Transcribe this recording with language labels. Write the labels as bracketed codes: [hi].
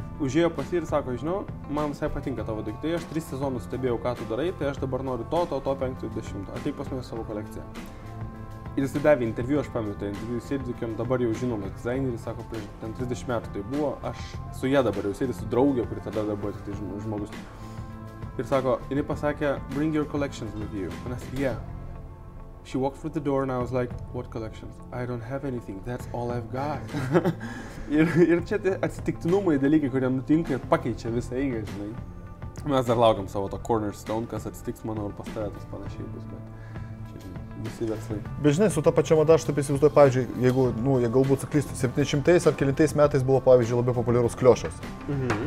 [lt] Užėjo pasi ir sako, žinau, man visai patinka tavo daiktai, aš 3 sezonus stebėjau, ką tu darai, tai aš dabar noriu to 5-10, ateik pas mane savo kolekciją. Ir jis davė interviu, aš pamėjau tą interviu, sėdžiu, dabar jau žinomas dizaineris, sako, prieš ten 30 metų tai buvo, aš su jie dabar jau sėdžiu su draugė, kuri tada dar buvo tik tai žmogus. Ir sako, jinai pasakė, [en] bring your collections with you. And I said, yeah. She walked through the door and I was like, what collections? I don't have anything, that's all I've got. [lt] ir čia atsitiktinumai dalykai, kurie nutinka ir pakeičia visą eigą, žinai. Mes dar laukiam savo to cornerstone, kas atsitiks mano ar pas tave tas panašiai bus, bet. Bet žinai, su ta pačia mada, aš taip įsivaizduoju, pavyzdžiui, jeigu, nu, jie galbūt suklystų, 70-ais ar 90-ais metais buvo, pavyzdžiui, labai populiarus kliošas. Mhm.